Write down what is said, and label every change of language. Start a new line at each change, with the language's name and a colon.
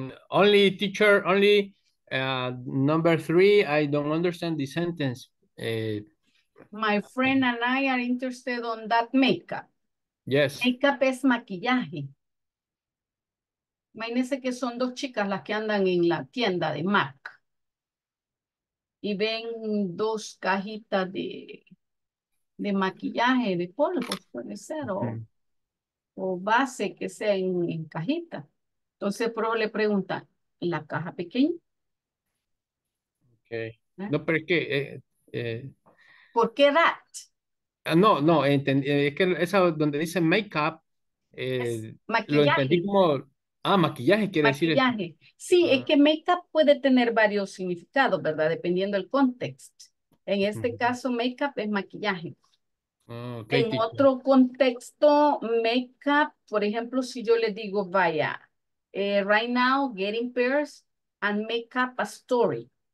English: Only teacher, only number three, I don't understand the sentence. My friend and I are interested on that makeup. Yes.
Spanish: Makeup es maquillaje. Imagínense que son dos chicas las que andan en la tienda de MAC. Y ven dos cajitas de maquillaje, de polvo, puede ser, o base que sea en cajita. Entonces, el profe le pregunta, ¿la caja pequeña? Ok. No, pero es que... ¿Por qué that? No, entendí, es que esa donde dice makeup, lo entendí como... Ah, maquillaje quiere decir... Maquillaje. Sí, es que makeup puede tener varios significados, ¿verdad? Dependiendo del contexto. En este caso, makeup es maquillaje.
English: Okay, en teacher.
Spanish: Otro contexto, makeup, por ejemplo, si yo le digo, vaya...
English: right now, getting pairs and make up a story.